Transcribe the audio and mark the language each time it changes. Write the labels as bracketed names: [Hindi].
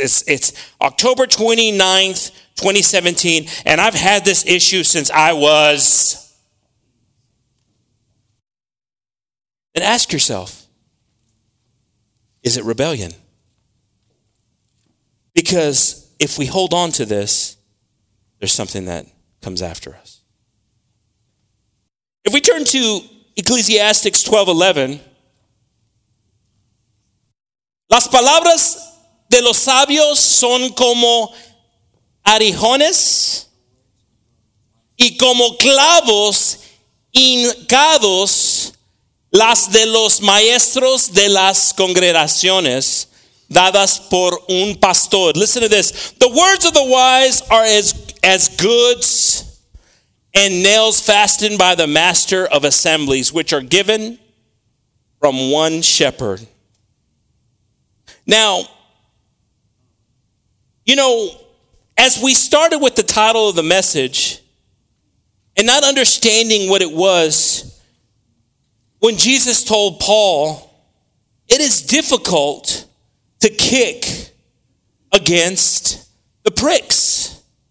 [English] It's October 29th, 2017, and I've had this issue since I was. And ask yourself, is it rebellion? Because if we hold on to this, there's something that comes after us. If we turn to Ecclesiastes 12:11, [Spanish] las palabras de los sabios son como arijones y como clavos hincados las de los maestros de las congregaciones dadas por un pastor. [English] Listen to this. The words of the wise are as goods and nails fastened by the master of assemblies, which are given from one shepherd. Now, you know, as we started with the title of the message and not understanding what it was, when Jesus told Paul, it is difficult to kick against the pricks.